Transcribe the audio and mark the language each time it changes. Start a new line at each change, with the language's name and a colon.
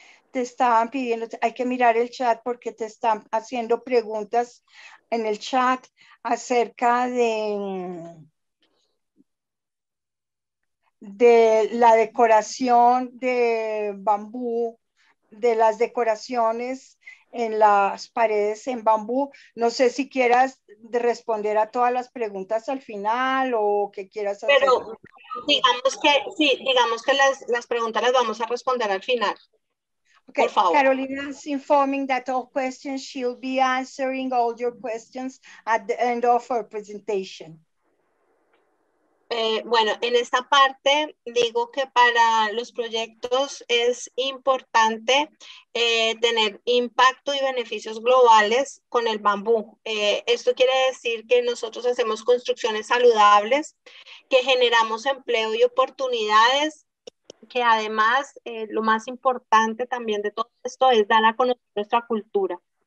Spanish: Te estaban pidiendo, hay que mirar el chat porque te están haciendo preguntas en el chat acerca de la decoración de bambú, de las decoraciones en las paredes en bambú. No sé si quieras de responder a todas las preguntas al final o que quieras hacer. Pero digamos que sí, digamos que las preguntas las vamos a responder al final.
English: Okay, Carolina is informing that all questions, she'll be answering all your questions at the end of her presentation.
Spanish: Bueno, en esta parte digo que para los proyectos es importante tener impacto y beneficios globales con el bambú. Esto quiere decir que nosotros hacemos construcciones saludables, que generamos empleo y oportunidades, que además lo más importante también de todo esto es dar a conocer nuestra cultura.